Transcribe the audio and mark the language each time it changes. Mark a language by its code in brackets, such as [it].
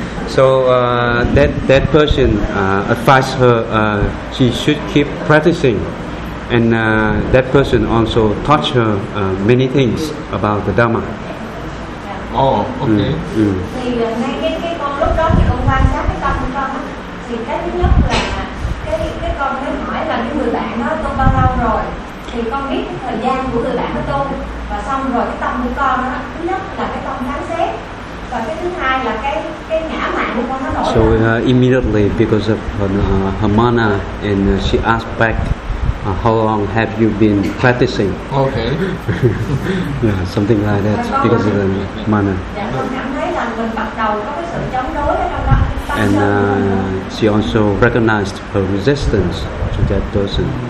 [en] So that person advised her she should keep practicing, and that person also taught her many things about the Dharma. Oh, okay. [vi] Thì ngay cái con lúc đó thì con quan sát cái tâm của con thì cái thứ nhất là cái con mới hỏi là cái người bạn đó tu bao lâu rồi, thì con biết thời gian của người bạn nó tu và xong rồi cái tâm của con đó, thứ nhất là cái tâm phán xét và cái thứ hai là cái ngã mạn của con nó nổi. [en] So immediately because of her mana, and she asked back, how long have you been practicing? Okay. Yeah, something like that, because of the mana. And she also recognized her resistance to that person.